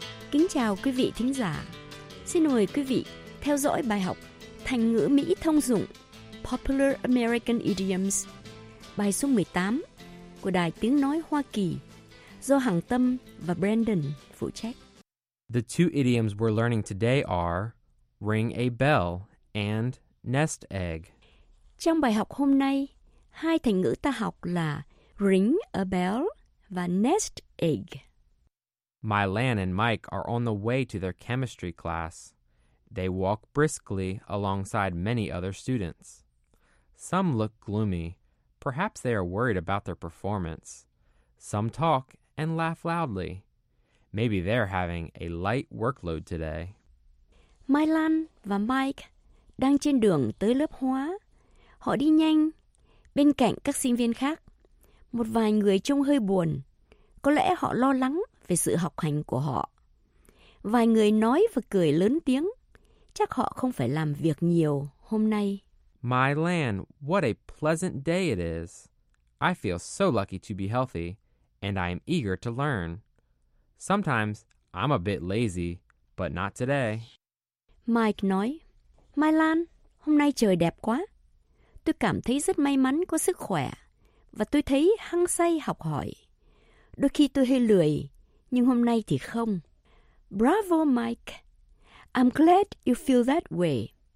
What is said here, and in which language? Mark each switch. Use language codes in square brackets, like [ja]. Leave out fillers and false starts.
[vi] Kính chào quý vị thính giả. Xin mời quý vị theo dõi bài học thành ngữ Mỹ thông dụng Popular American Idioms, bài số 18 của Đài Tiếng Nói Hoa Kỳ, do Hằng Tâm và Brandon phụ trách. [en] The two idioms we're learning today are ring a bell and nest egg. [vi] Trong bài học hôm nay, hai thành ngữ ta học là ring a bell và nest egg. [en] Mylan and Mike are on the way to their chemistry class. They walk briskly alongside many other students. Some look gloomy. Perhaps they are worried about their performance. Some talk and laugh loudly. Maybe they're having a light workload today. [vi] Mai Lan và Mike đang trên đường tới lớp hóa. Họ đi nhanh, bên cạnh các sinh viên khác. Một vài người trông hơi buồn. Có lẽ họ lo lắng về sự học hành của họ. Vài người nói và cười lớn tiếng. Chắc họ không phải làm việc nhiều hôm nay. [en] My land, what a pleasant day it is. I feel so lucky to be healthy, and I am eager to learn. Sometimes, I'm a bit lazy, but not today. [vi] Mike nói, My Lan, hôm nay trời đẹp quá. Tôi cảm thấy rất may mắn có sức khỏe, và tôi thấy hăng say học hỏi. Đôi khi tôi hơi lười, nhưng hôm nay thì không. [en] Bravo, Mike. I'm glad you feel that way.